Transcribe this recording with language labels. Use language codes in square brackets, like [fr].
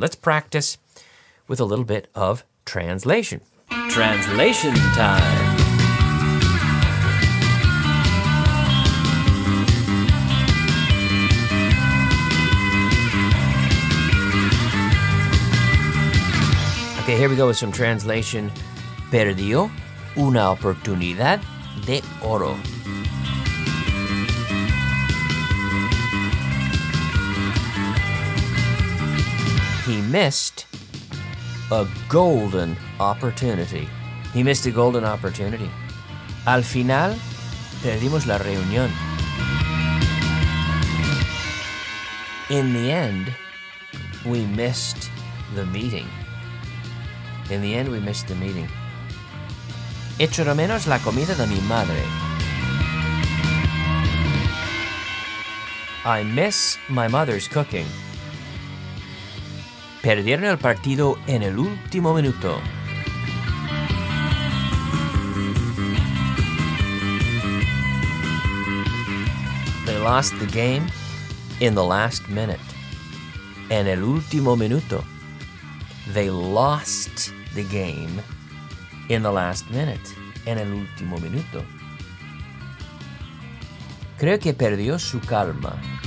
[en] Let's practice with a little bit of translation. Translation time. Okay, here we go with some translation. [es] Perdió una oportunidad de oro. [en] He missed a golden opportunity. He missed a golden opportunity. [es] Al final, perdimos la reunión. [en] In the end, we missed the meeting. In the end, we missed the meeting. [es] Echo de menos la comida de mi madre. [en] I miss my mother's cooking. [es] Perdieron el partido en el último minuto. [en] They lost the game in the last minute. [es] En el último minuto. [en] They lost the game in the last minute. [es] En el último minuto. Creo que perdió su calma.